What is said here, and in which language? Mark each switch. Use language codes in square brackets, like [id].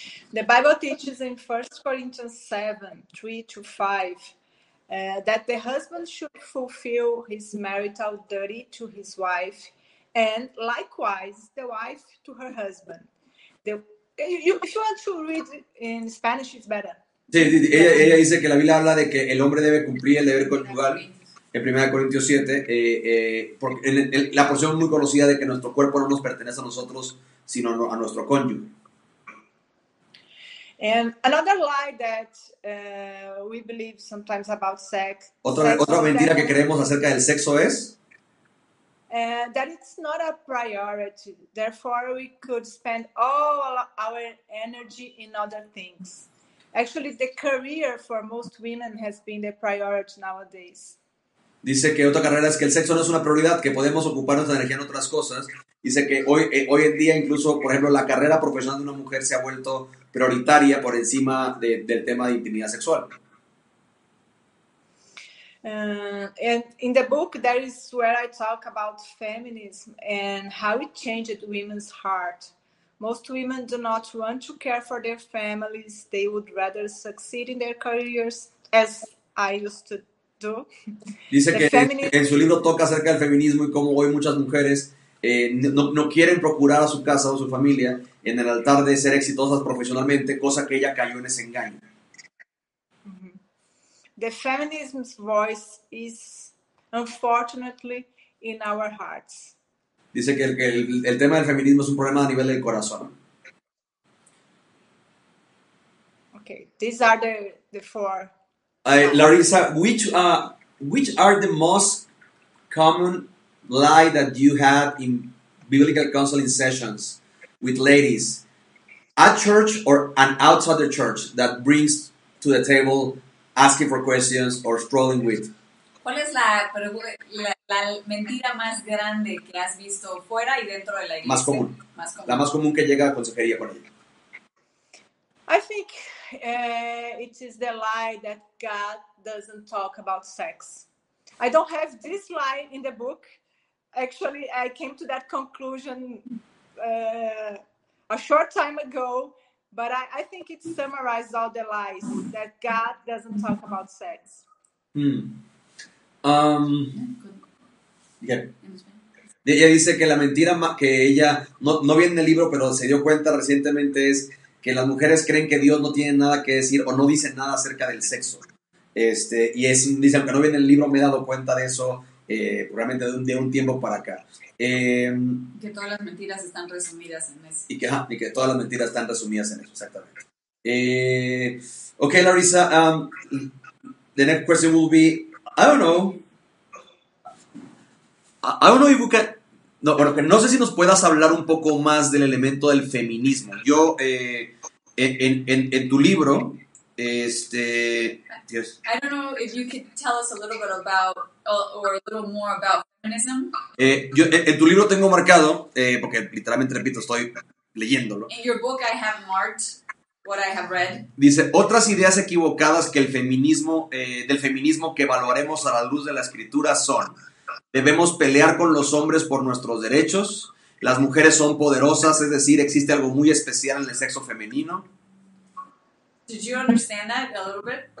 [en] The Bible teaches in 1 Corinthians 7, 3 to 5, that the husband should fulfill his marital duty to his wife, and likewise the wife to her husband. If you want to read in Spanish, it's better. [es] Sí, ella dice que la Biblia habla de que el hombre debe cumplir el deber conyugal en 1 Corintios 7, porque en la porción muy conocida de que nuestro cuerpo no nos pertenece a nosotros, sino a nuestro cónyuge. [en] And another lie that we believe sometimes about sex. [es] Otra mentira que creemos acerca del sexo es [en] That it's not a priority. Therefore, we could spend all our energy in other things. Actually, the career for most women has been the priority nowadays. [es] Dice que otra carrera es que el sexo no es una prioridad, que podemos ocupar nuestra energía en otras cosas. Dice que hoy en día incluso, por ejemplo, la carrera profesional de una mujer se ha vuelto prioritaria por encima del tema de intimidad sexual. [en] And in the book, that is where I talk about feminism and how it changed women's heart. Most women do not want to care for their families. They would rather succeed in their careers, as I used to do. [es] Dice que en su libro toca acerca del feminismo y cómo hoy muchas mujeres no quieren procurar a su casa o su familia en el altar de ser exitosas profesionalmente, cosa que ella cayó en ese engaño. [en] The feminism's voice is, unfortunately, in our hearts. [es] Dice que el tema del feminismo es un problema a nivel del corazón. [en] Okay, these are the four. Larissa, which are the most common lie that you have in biblical counseling sessions with ladies at church or an outside the church that brings to the table asking for questions or struggling with? [es] ¿Cuál es la mentira más grande que has visto fuera y dentro de la iglesia? Más común. La más común que llega a consejería con ella. [en] I think it is the lie that God doesn't talk about sex. I don't have this lie in the book. Actually, I came to that conclusion a short time ago. But I think it summarizes all the lies that God doesn't talk about sex. [es] Ella dice que la mentira que ella no viene en el libro, pero se dio cuenta recientemente, es que las mujeres creen que Dios no tiene nada que decir o no dice nada acerca del sexo. Dice, aunque no viene en el libro, me he dado cuenta de eso realmente de un tiempo para acá. Que todas las mentiras están resumidas en eso. Y que todas las mentiras están resumidas en eso, exactamente. Larissa, [en] the next question will be, I don't know if we can, [es] no sé si nos puedas hablar un poco más del elemento del feminismo. Yo, en tu libro, yes. [en] I don't know if you could tell us a little bit about, or a little more about feminism. [es] Yo, en tu libro tengo marcado, porque literalmente repito, estoy leyéndolo. [en] In your book I have marked what I have read. [es] Dice, otras ideas equivocadas que el feminismo, del feminismo que evaluaremos a la luz de la escritura son: debemos pelear con los hombres por nuestros derechos, las mujeres son poderosas, es decir, existe algo muy especial en el sexo femenino. [en] Did you understand that a little bit?